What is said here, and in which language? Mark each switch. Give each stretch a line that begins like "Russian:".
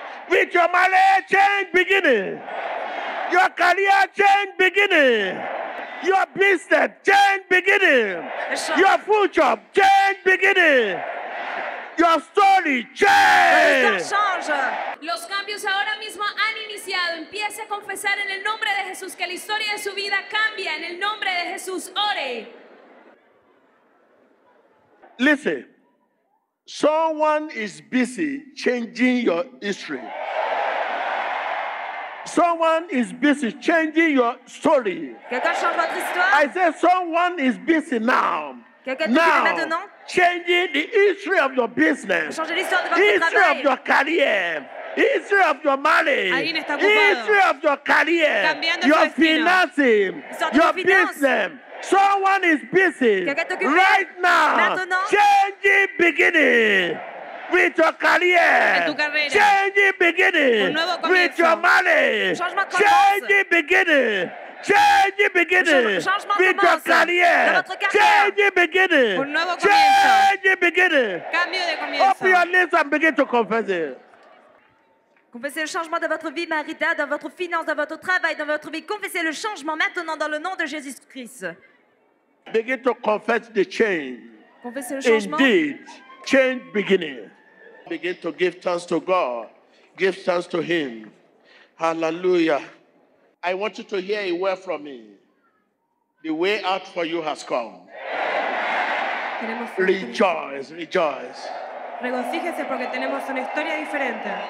English: With your marriage, change beginning. Your career, change beginning. Your business, change beginning. Your future, change beginning. Your story, change.
Spanish: Los cambios ahora mismo han iniciado. Empiece a confesar en el nombre de Jesús que la historia de su vida cambia en el nombre de Jesús. Ore.
English: Listen. Someone is busy changing your history. Someone is busy changing your story. I say someone is busy now. Now, changing the history of your business, history of your career, history of your marriage, history of your career, your finances, your business. Someone is busy right now, changing beginning. With your career, change the beginning. With your money, change the beginning. Change the beginning. With your career, change the beginning. Change the beginning. Open your lips and begin to confess it.
French: Confessez le changement dans votre vie, Marita, dans votre finance, dans votre travail, dans votre vie. Confessez le changement maintenant dans le nom de Jésus Christ.
English: Begin to confess the change.
French: Confessez le changement.
English: Indeed, change beginning. Begin to give thanks to God. Give thanks to Him. Hallelujah. I want you to hear a word from me. The way out for you has come. Rejoice, rejoice.
Spanish: Regocíjese porque tenemos una historia diferente.